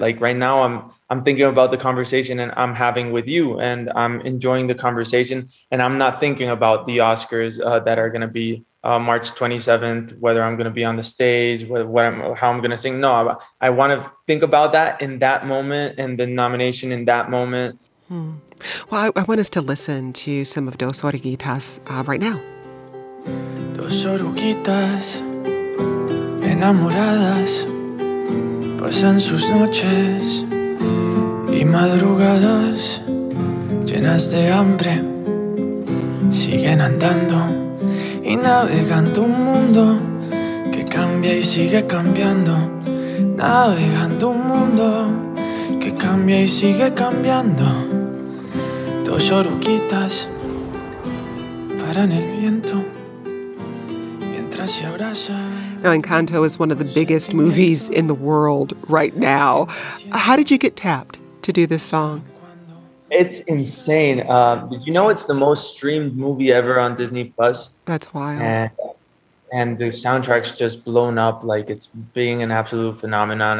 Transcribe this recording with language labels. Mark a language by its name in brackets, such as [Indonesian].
[English] Like right now I'm thinking about the conversation and I'm having with you, and I'm enjoying the conversation, and I'm not thinking about the Oscars that are going to be March 27th, whether I'm going to be on the stage, how I'm going to sing. No, I want to think about that in that moment, and the nomination in that moment. Well, I want us to listen to some of Dos Oruguitas right now. [Spanish] Dos oruguitas enamoradas pasan sus noches y madrugadas llenas de hambre, siguen andando y navegando un mundo que cambia y sigue cambiando, navegando un mundo que cambia y sigue cambiando. Dos oruguitas paran el viento mientras se abrazan. [English] Now, Encanto is one of the biggest movies in the world right now. How did you get tapped to do this song? It's insane. Did you know it's the most streamed movie ever on Disney Plus? That's wild. And the soundtrack's just blown up. Like, it's being an absolute phenomenon.